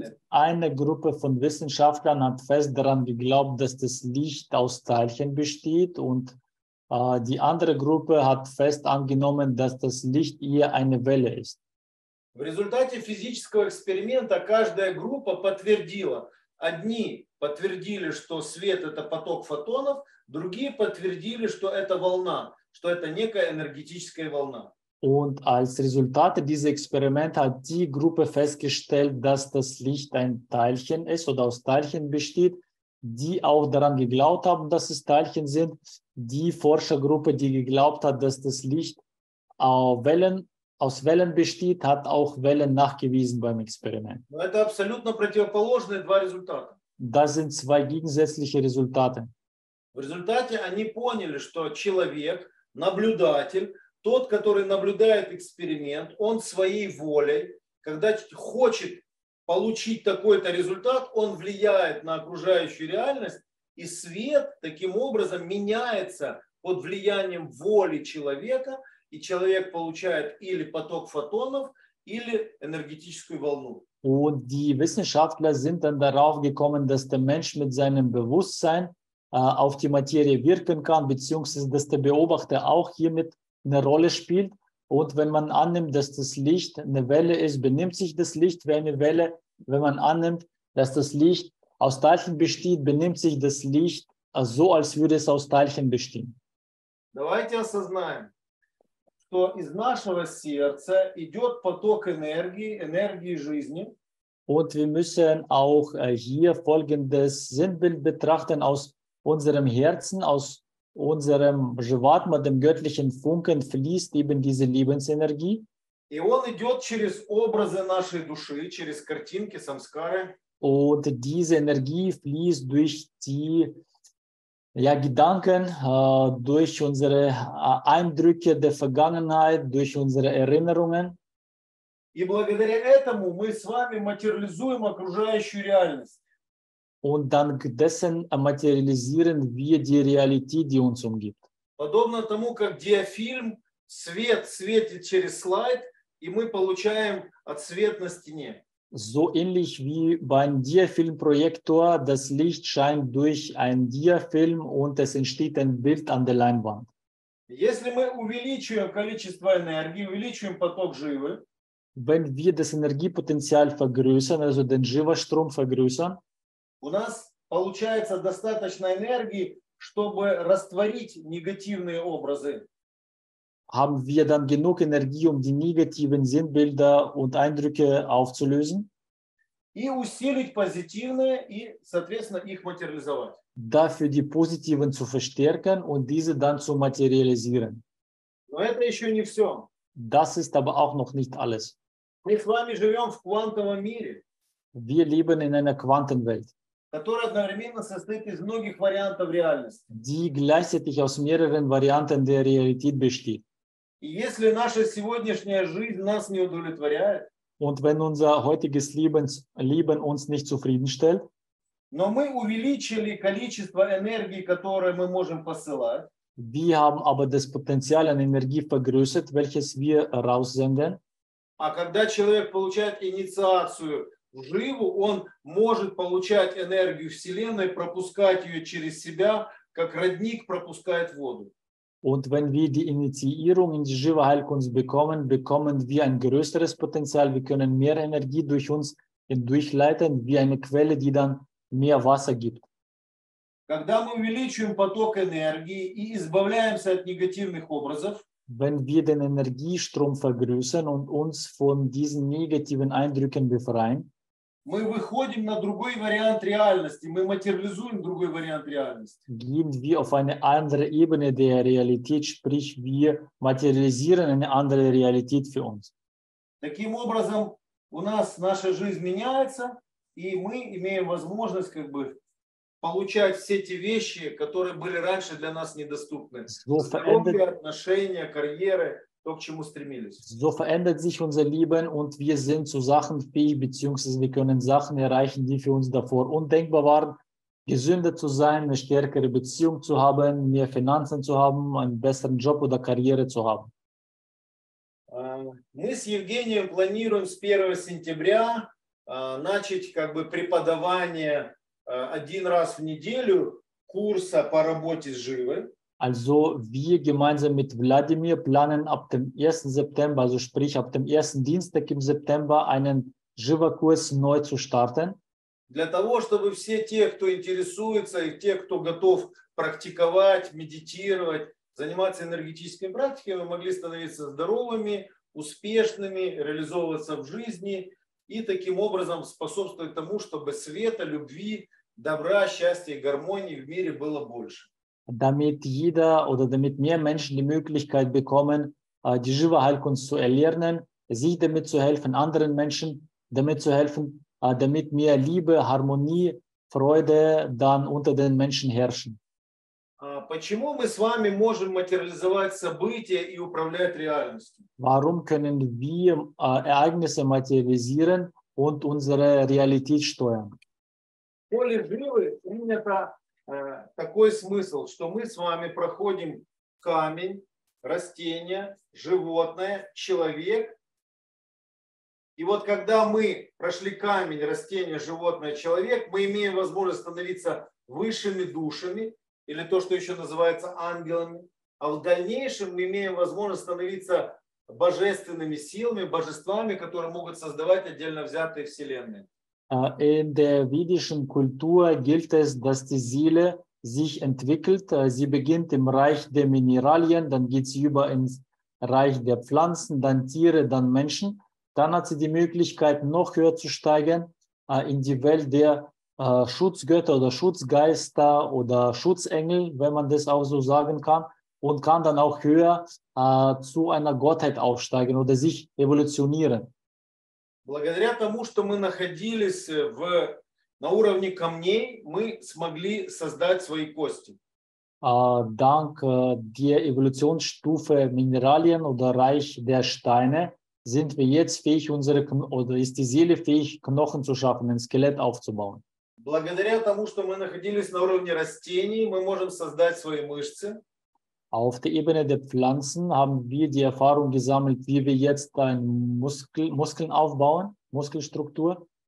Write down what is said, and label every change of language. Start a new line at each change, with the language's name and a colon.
German: Eine Gruppe von Wissenschaftlern hat fest daran geglaubt, dass das Licht aus Teilchen besteht und die andere Gruppe hat fest angenommen, dass das Licht eher eine Welle ist.
Russian: В результате физического эксперимента каждая группа подтвердила. Одни подтвердили, что свет – это поток фотонов, другие подтвердили, что это волна, что это некая энергетическая волна.
German: Und als Resultat dieses Experiments hat die Gruppe festgestellt, dass das Licht ein Teilchen ist oder aus Teilchen besteht, die auch daran geglaubt haben, dass es Teilchen sind. Die Forschergruppe, die geglaubt hat, dass das Licht aus Wellen besteht, hat auch Wellen nachgewiesen beim Experiment.
Russian: Это абсолютно противоположные два результата.
German: Das sind zwei gegensätzliche Resultate.
Russian: В результате они поняли, что человек, наблюдатель, тот, который наблюдает эксперимент, он своей волей, когда хочет получить такой-то результат, он влияет на окружающую реальность, и свет таким образом меняется под влиянием воли человека, и человек получает или поток фотонов, или энергетическую волну.
German: Und die Wissenschaftler sind dann darauf gekommen, dass der Mensch mit seinem Bewusstsein auf die Materie wirken kann, beziehungsweise dass der Beobachter auch hiermit eine Rolle spielt. Und wenn man annimmt, dass das Licht eine Welle ist, benimmt sich das Licht wie eine Welle. Wenn man annimmt, dass das Licht aus Teilchen besteht, benimmt sich das Licht so, als würde es aus Teilchen bestehen.
Russian: Давайте осознаем, что из нашего сердца идет поток энергии, энергии жизни.
German: Und wir müssen auch hier folgendes Sinnbild betrachten aus unserem Herzen, aus unserem Jivatma, dem göttlichen Funken, fließt eben diese Lebensenergie.
Russian: И он идет через образы нашей души, через картинки, самскары.
German: Und diese Energie fließt durch die Gedanken, durch unsere Eindrücke der Vergangenheit, durch unsere Erinnerungen.
Russian: И благодаря этому мы с вами материализуем окружающую реальность.
German: Und dank dessen materialisieren wir die Realität, die uns umgibt.
Russian: Подобно тому, как диафильм, свет светит через слайд, и мы получаем от свет на стене.
German: So ähnlich wie beim Diafilmprojektor, das Licht scheint durch einen Diafilm und es entsteht ein Bild an der Leinwand.
Russian: Если мы увеличиваем количество энергии, увеличиваем поток живы,
German: wenn wir das Energiepotenzial vergrößern, also den Jiva-Strom vergrößern,
Russian: у нас получается достаточно энергии, чтобы растворить негативные образы.
German: Haben wir dann genug Energie, um die negativen Sinnbilder und Eindrücke aufzulösen?
Russian: И усилить позитивные и, соответственно, их материализовать.
German: Dafür die positiven zu verstärken und diese dann zu materialisieren.
Russian: Но это еще не все.
German: Das ist aber auch noch nicht alles.
Russian: Мы с вами живем в квантовом мире.
German: Wir leben in einer Quantenwelt,
Russian: которая одновременно состоит из многих вариантов реальности.
German: Die gleichzeitig aus mehreren Varianten der Realität besteht.
Russian: И если наша сегодняшняя жизнь нас не удовлетворяет,
German: und wenn unser heutiges Leben uns nicht zufriedenstellt,
Russian: но мы увеличили количество энергии, которое мы можем посылать,
German: wir haben aber das Potenzial an Energie vergrößert, welches wir raussenden,
Russian: а когда человек получает инициацию в живу, он может получать энергию Вселенной, пропускать ее через себя, как родник пропускает воду.
German: Und wenn wir die Initiierung in die Jiva-Heilkunst bekommen, bekommen wir ein größeres Potenzial. Wir können mehr Energie durch uns durchleiten, wie eine Quelle, die dann mehr Wasser gibt.
Russian: Когда мы увеличиваем поток энергии и избавляемся от негативных образов,
German: wenn wir den Energiestrom vergrößern und uns von diesen negativen Eindrücken befreien,
Russian: мы выходим на другой вариант реальности, мы материализуем другой вариант реальности.
German: Gehen wir auf eine andere Ebene der Realität, sprich wir materialisieren eine andere Realität für uns.
Russian: Таким образом у нас наша жизнь меняется, и мы имеем возможность как бы получать все те вещи, которые были раньше для нас недоступны. Здоровье, отношения, карьеры, то, к чему стремились.
German: So verändert sich unser Leben und wir sind zu Sachen fähig, beziehungsweise wir können Sachen erreichen, die für uns davor undenkbar waren. Gesünder zu sein, eine stärkere Beziehung zu haben, mehr Finanzen zu haben, einen besseren Job oder Karriere zu haben.
Russian: Мы с Евгением планируем с 1 сентября начать как бы преподавание один раз в неделю курса по работе с живой.
German: Also wir gemeinsam mit Wladimir planen ab dem 1. September, also sprich ab dem ersten Dienstag im September, einen Jiva-Kurs neu zu starten.
Russian: Для того, чтобы все те, кто интересуется, и те, кто готов практиковать, медитировать, заниматься энергетическими практиками, могли становиться здоровыми, успешными, реализовываться в жизни и таким образом способствовать тому, чтобы света, любви, добра, счастья и гармонии в мире было больше.
German: Damit jeder oder damit mehr Menschen die Möglichkeit bekommen, die Jiva Heilkunst zu erlernen, sich damit zu helfen, anderen Menschen damit zu helfen, damit mehr Liebe, Harmonie, Freude dann unter den Menschen herrschen.
Russian: Почему мы с вами можем материализовать события и управлять реальностью?
German: Warum können wir Ereignisse materialisieren und unsere Realität steuern?
Russian: Поле живы принято такой смысл, что мы с вами проходим камень, растение, животное, человек. И вот когда мы прошли камень, растение, животное, человек, мы имеем возможность становиться высшими душами, или то, что еще называется ангелами, а в дальнейшем мы имеем возможность становиться божественными силами, божествами, которые могут создавать отдельно взятые вселенные.
German: In der vedischen Kultur gilt es, dass die Seele sich entwickelt. Sie beginnt im Reich der Mineralien, dann geht sie über ins Reich der Pflanzen, dann Tiere, dann Menschen. Dann hat sie die Möglichkeit, noch höher zu steigen in die Welt der Schutzgötter oder Schutzgeister oder Schutzengel, wenn man das auch so sagen kann, und kann dann auch höher zu einer Gottheit aufsteigen oder sich evolutionieren.
Russian: Благодаря тому, что мы находились на уровне камней, мы смогли создать свои кости.
German: Dank der Evolutionsstufe Mineralien oder Reich der Steine sind wir jetzt fähig, ist die Seele fähig, Knochen zu schaffen, ein Skelett aufzubauen.
Russian: Благодаря тому, что мы находились на уровне растений, мы можем создать свои мышцы.
German: Auf der Ebene der Pflanzen haben wir die Erfahrung gesammelt, wie wir jetzt ein Muskeln aufbauen, Muskelstruktur.